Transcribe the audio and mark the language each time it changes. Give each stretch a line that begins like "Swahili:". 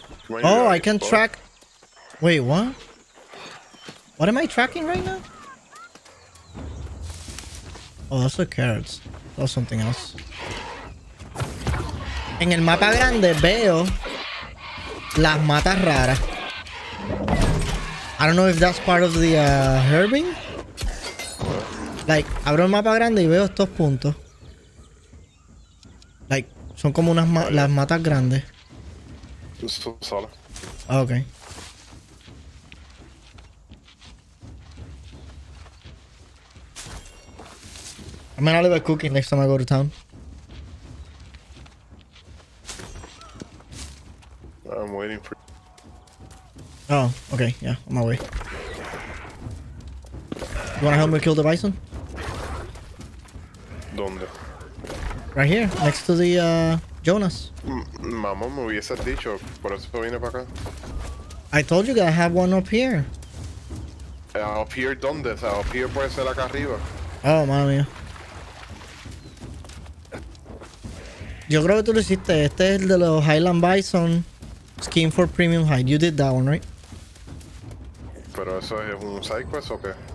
English: Oh, I can track. Wait, what? What am I tracking right now? Oh, those are carrots. Or something else.
Spanish: En el mapa grande veo las matas raras.
English: I don't know if that's part of the herbing.
Spanish: Like, abro el mapa grande y veo estos puntos. Like, son como unas las matas grandes. Solo.
English: Okay. I'm gonna leave a cookie next time I go to town. I'm waiting for. Oh, okay, yeah, on my way. You wanna help me kill the bison?
Spanish: Donde?
English: Right here, next to the Jonas.
Spanish: Mamón, me hubieses dicho, por eso vine para acá.
English: I told you that I have one up here. Up here, donde?
Spanish: O sea,
English: up here
Spanish: puede ser acá arriba. Oh, madre mía. Yo creo que tú lo hiciste. Este es el de los Highland Bison Skin for Premium Hide.
English: You did that one, right?
Spanish: ¿Pero eso es un side quest o qué?